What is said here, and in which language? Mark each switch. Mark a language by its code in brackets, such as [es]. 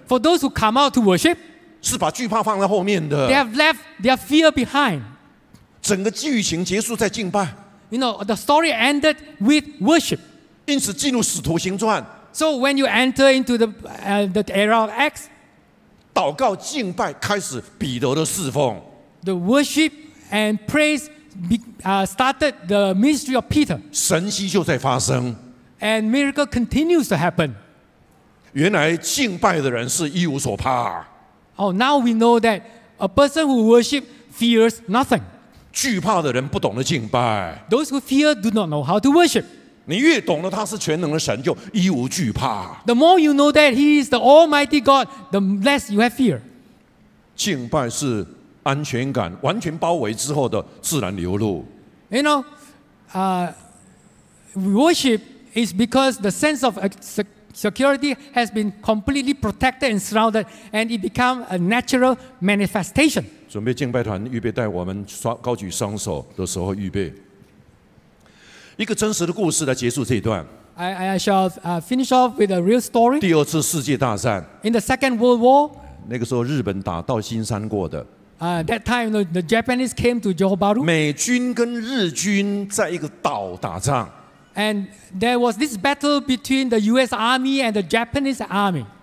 [en] for those who come out to worship, [zh] 是把惧怕放在后面的， [en] they have left their fear behind. [zh] 整个剧情结束在敬拜。 [en] You know, the story ended with worship. [zh] 因此进入使徒行传。 [en] So when you enter into the era of Acts, [zh] 祷告敬拜开始彼得的侍奉。 [en] The worship and praise started the ministry of Peter. [zh] 神迹就在发生。 [en] And miracle continues to happen. [zh] 原来敬拜的人是一无所怕。 [en] Oh, now we know that a person who worships fears nothing. [zh] 惧怕的人不懂得敬拜。 [en] Those who fear do not know how to worship. [zh] 你越懂得他是全能的神，就一无惧怕。 [en] The more you know that he is the Almighty God, the less you have fear. [zh] 敬拜是安全感完全包围之后的自然流露。 [en] You know, worship is because the sense of security has been completely protected and surrounded, and it becomes a natural manifestation. [zh] 准备敬拜团预备带我们高举双手的时候预备一个真实的故事来结束这一段 [en] I shall finish off with a real story [zh] 第二次世界大战 [en] In the Second World War [zh] 那个时候日本打到新山过的 [en] That time the Japanese came to Johor Bahru [zh] 美军跟日军在一个岛打仗 [en] And there was this battle between the US Army and the Japanese Army